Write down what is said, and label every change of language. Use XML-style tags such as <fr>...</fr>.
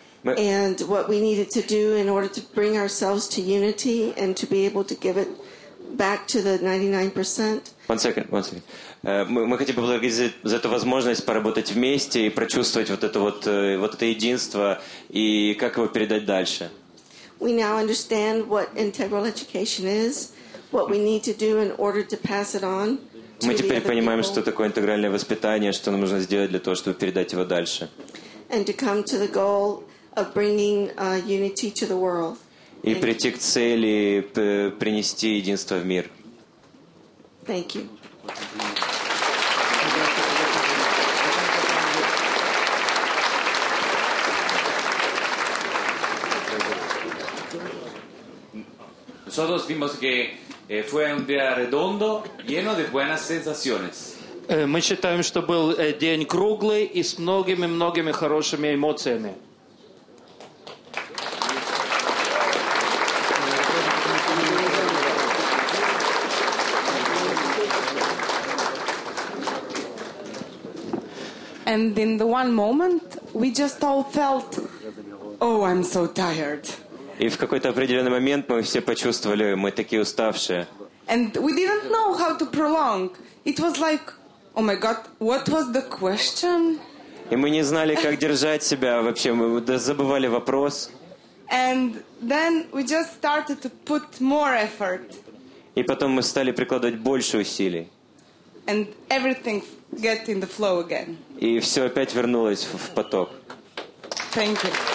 <en>and what we needed to do in order to bring ourselves to unity and to be able to give it back to the 99%. One second.</en> <ru>Мы хотим поблагодарить за эту возможность поработать вместе и прочувствовать вот это единство и как его передать дальше.</ru> <en>We now understand what integral education is, what we need to do in order to pass it on.</en> <ru>Мы теперь понимаем, что такое интегральное воспитание, что нам нужно сделать для того, чтобы передать его дальше.</ru> <en>And to come to the goal of bringing unity to the world.</en> <ru>И прийти к цели принести единство в мир.</ru> <en>Thank you.</en> <es>Nosotros vimos que fue un día redondo, lleno de buenas sensaciones.</es> <ru>Мы считаем, что был день круглый и с многими-многими хорошими эмоциями.</ru> <en>And in the one moment, we just all felt, oh, I'm so tired.</en> <ru>И в какой-то определенный момент мы все почувствовали, мы такие уставшие.</ru> <en>And we didn't know how to prolong. It was like, oh my God, what was the question?</en> <ru>И мы не знали, как держать себя вообще, мы забывали вопрос.</ru> <en>And then we just started to put more effort.</en> <ru>И потом мы стали прикладывать больше усилий.</ru> <en>And everything get in the flow again.</en> <ru>И все опять вернулось в поток.</ru> <en>Thank you.</en>